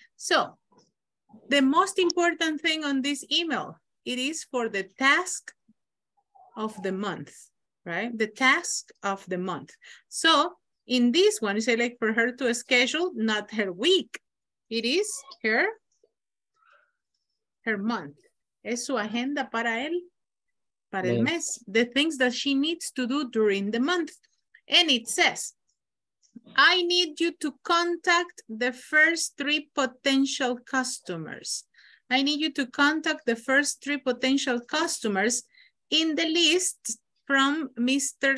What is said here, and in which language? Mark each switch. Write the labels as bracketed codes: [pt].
[en] So the most important thing on this email, it is for the task of the month, right? The task of the month. So in this one, you say like for her to schedule, not her week. It is her month. [es] Es su agenda para él, para el mes. [en] The things that she needs to do during the month. And it says, I need you to contact the first three potential customers. I need you to contact the first three potential customers in the list from Mr.